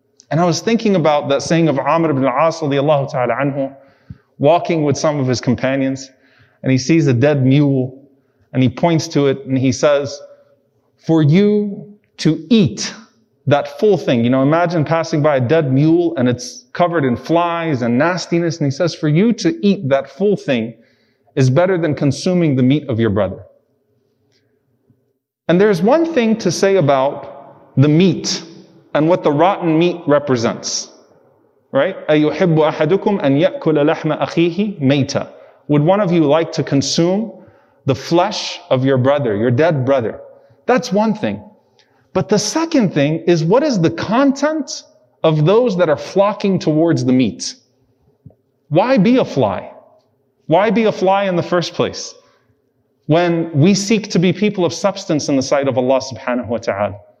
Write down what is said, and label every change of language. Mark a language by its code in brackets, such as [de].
[en] And I was thinking about that saying of Amr ibn al-As radiallahu ta'ala anhu, walking with some of his companions, and he sees a dead mule, and he points to it, and he says, for you to eat that full thing, you know, imagine passing by a dead mule, and it's covered in flies and nastiness, and he says, for you to eat that full thing, is better than consuming the meat of your brother. And there's one thing to say about the meat and what the rotten meat represents, right? [ar] أَيُحِبُّ أَحَدُكُمْ أَنْ يَأْكُلَ لَحْمَ أَخِيهِ مَيْتًا. [en] Would one of you like to consume the flesh of your brother, your dead brother? That's one thing. But the second thing is, what is the content of those that are flocking towards the meat? Why be a fly? Why be a fly in the first place when we seek to be people of substance in the sight of Allah subhanahu wa ta'ala?